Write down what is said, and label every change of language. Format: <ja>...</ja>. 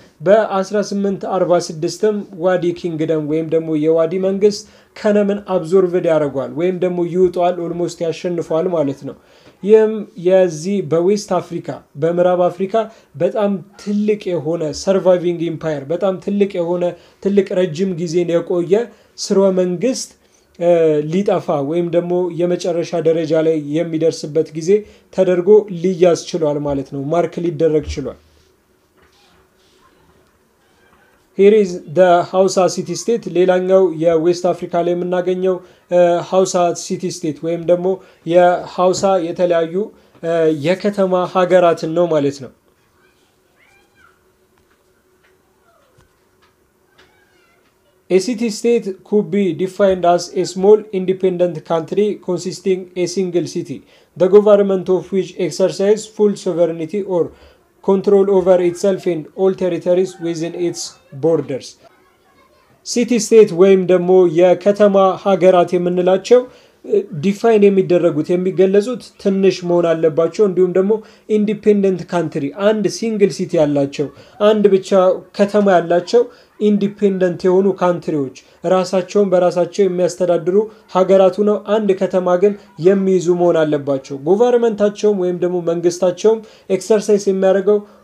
<am>በ1846 ዋዲ ኪንግደም ወይም ደግሞ የዋዲ መንግስት ካነምን አብዞርቭድ ያደርጓል ወይም ደግሞ ይውጣል ኦልሞስት ያሸንፋል ማለት ነው። ይህም የዚ በዌስት አፍሪካ በምዕራብ አፍሪካ በጣም ትልቅ የሆነ ሰርቫይቪንግ ኢምፓየር በጣም ትልቅ የሆነ ትልቅ ረጅም ጊዜን የቆየ ስርወ መንግስት ሊጣፋ ወይም ደግሞ የመጨረሻ ደረጃ ላይ የሚደርስበት ጊዜ ተደርጎ ሊያዝ ይችላል ማለት ነው። ማርክ ሊደረግ ይችላል።</am> <en>Here is the Hausa city state.</en> <am>ሌላኛው የዌስት አፍሪካ ላይ የምናገኘው Hausa city state ወይም ደግሞ የሃውሳ የተለያዩ የከተማ ሀገራት ነው ማለት ነው።</am> <en>A city state could be defined as a small independent country consisting a single city, the government of which exercises full sovereignty or control over itself in all territories within its borders.</en> <am>City state ወይም ደግሞ የከተማ ሀገራት የምንላቸው define የሚደረጉት የሚገለጹት ትንሽ መሆን አለባቸው እንዲሁም ደግሞ</am> <en>independent country and single city</en> <am>ያላቸው አንድ ብቻ ከተማ ያላቸው independent የሆኑ countries ራሳቸውን በራሳቸው የሚያስተዳድሩ ሀገራቱ ነው። አንድ ከተማ ግን የሚይዙ መሆን አለባቸው። governmentታቸውም ወይም ደግሞ መንግስታቸውም exercise የሚያደርገው</am>